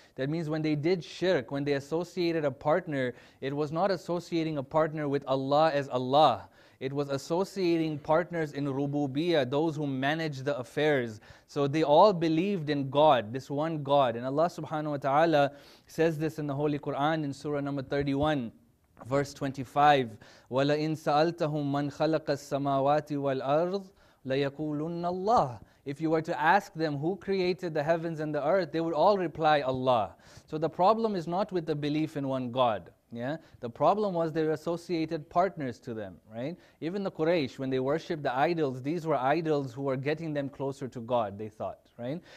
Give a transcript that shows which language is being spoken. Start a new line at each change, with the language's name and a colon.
English: That means when they did shirk, when they associated a partner, it was not associating a partner with Allah as Allah. It was associating partners in rububiyyah, those who manage the affairs. So they all believed in God, this one God. And Allah subhanahu wa ta'ala says this in the Holy Quran in Surah number 31. Verse 25,
Arabic: وَلَئِنْ سَأَلْتَهُمْ مَنْ خَلَقَ السَّمَاوَاتِ وَالْأَرْضِ لَيَقُولُنَّ اللَّهِ.
English: If you were to ask them who created the heavens and the earth, they would all reply, Allah. So the problem is not with the belief in one God. Yeah, the problem was they were associated partners to them, right? Even the Quraysh, when they worshipped the idols, these were idols who were getting them closer to God, they thought, right?